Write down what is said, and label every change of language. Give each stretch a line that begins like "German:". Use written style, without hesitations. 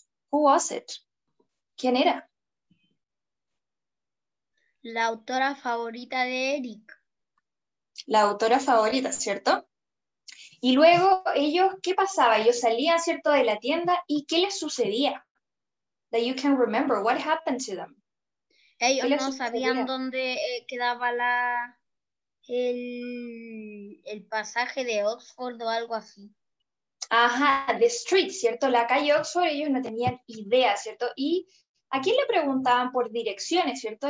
English: Who was it?
Spanish: ¿Quién era? La autora favorita de Eric. La autora favorita, ¿cierto? Y luego ellos, ¿qué pasaba? Ellos salían, ¿cierto?, de la tienda, ¿y qué les sucedía?
English: That you can remember, what happened to them?
Spanish: Ellos no sabían dónde quedaba el pasaje de Oxford o algo así.
English: Ajá, the street, ¿cierto?
Spanish: La calle Oxford, ellos no tenían idea, ¿cierto? Y ¿a quién le preguntaban por direcciones, cierto?